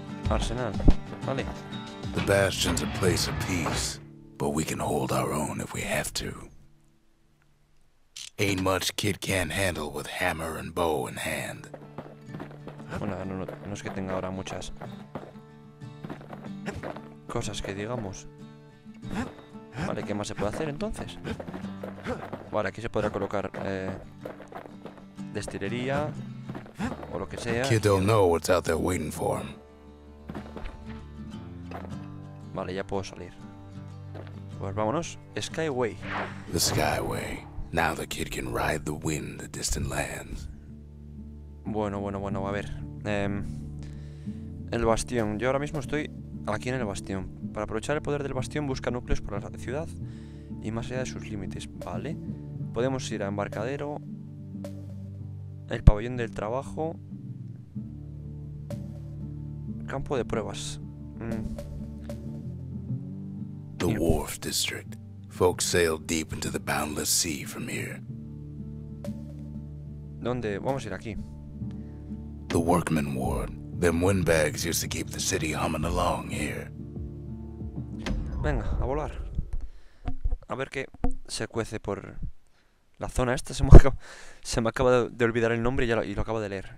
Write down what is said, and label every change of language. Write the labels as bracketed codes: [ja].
[es] Arsenal. Vale. [en] The Bastion's a place of peace, but we can hold our own if we have to. Ain't much kid can't handle with hammer and bow in hand. [es] Bueno, no es que tenga ahora muchas cosas que digamos. Vale, ¿qué más se puede hacer entonces? Vale, aquí se podrá colocar destilería o lo que sea. [en] Kid don't know what's out there waiting for him. [es] Vale, ya puedo salir. Pues vámonos. Skyway. [en] The Skyway. Now the kid can ride the wind to distant lands. [es] Bueno, a ver. El bastión. Yo ahora mismo estoy aquí en el bastión. Para aprovechar el poder del bastión, busca núcleos por la ciudad y más allá de sus límites. Vale. Podemos ir a embarcadero. El pabellón del trabajo. Campo de pruebas. [en] The Wharf District. Folks sail deep into the boundless sea from here. [es] ¿Dónde? Vamos a ir aquí. [en] The Workmen Ward. Them windbags used to keep the city humming along here. [es] Venga, a volar. A ver qué se cuece por la zona esta. Se me acaba de olvidar el nombre y lo acabo de leer.